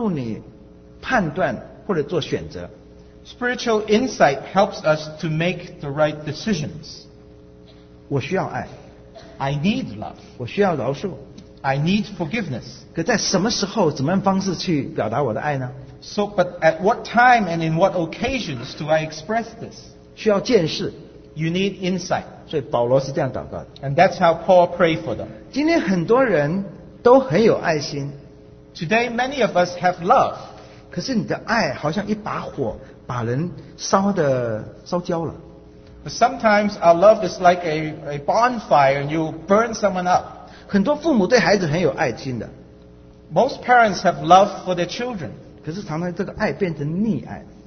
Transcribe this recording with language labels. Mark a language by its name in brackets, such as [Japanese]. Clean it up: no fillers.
[Chinese] 属灵的见识是帮助你判断或者做选择。 [English] Spiritual insight helps us to make the right decisions. [Chinese] 我需要爱。 [English] I need love. [Chinese] 我需要饶恕。 [English] I need forgiveness. [Chinese] 可在什么时候，怎么样方式去表达我的爱呢？ [English] So, but at what time and in what occasions do I express this? [Chinese] 需要见识。 [English] You need insight. [Chinese] 所以保罗是这样祷告的。 [English] And that's how Paul prayed for them. [Chinese] 今天很多人都很有爱心。 [English] Today, many of us have love. [Chinese] 可是你的爱好像一把火。把人烧焦了。 [English] Sometimes our love is like a bonfire and you burn someone up. [Chinese] 很多父母对孩子很有爱心的。 [English] Most parents have love for their children. [Chinese] 可是常常这个爱变成溺爱。